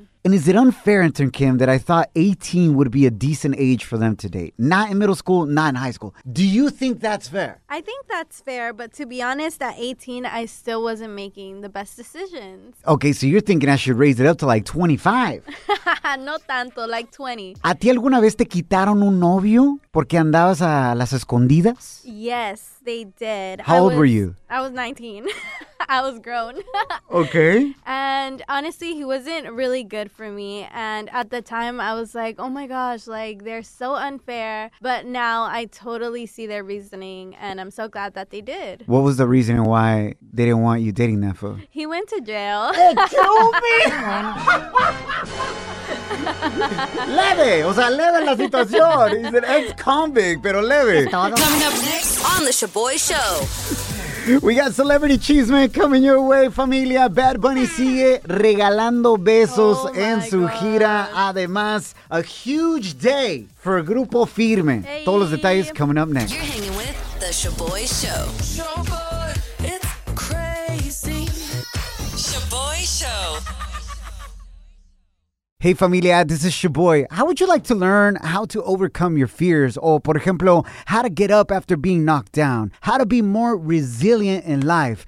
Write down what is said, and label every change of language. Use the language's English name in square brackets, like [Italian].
[English] And is it unfair, intern Kim, that I thought 18 would be a decent age for them to date? Not in middle school, not in high school. Do you think that's fair? I think that's fair, but to be honest, at 18, I still wasn't making the best decisions. Okay, so you're thinking I should raise it up to like 25. [Spanish] No tanto, like 20. ¿A ti alguna vez te quitaron un novio porque andabas a las escondidas? [English] Yes, they did. How old were you? I was 19. I was grown. Okay. And honestly, he wasn't really good for me. And at the time, I was like, oh my gosh, like, they're so unfair. But now I totally see their reasoning. And I'm so glad that they did. What was the reason why they didn't want you dating that fool? He went to jail. Hey, kill me! [Spanish] Leve, o sea, leve la situación. [English] He's an ex-convict, [Spanish] pero leve. [English] Coming up next on the Shaboy Show. We got celebrity chisme coming your way, familia. Bad Bunny [Spanish] sigue regalando besos en su gira. Además, [English] a huge day for Grupo Firme. Hey. [Spanish] Todos los detalles [English] coming up next. You're hanging with the Shaboy Show. Shaboy, it's crazy. Shaboy Show. Hey, familia, this is Shaboy. How would you like to learn how to overcome your fears? Or, [Spanish] por ejemplo, [English] how to get up after being knocked down? How to be more resilient in life?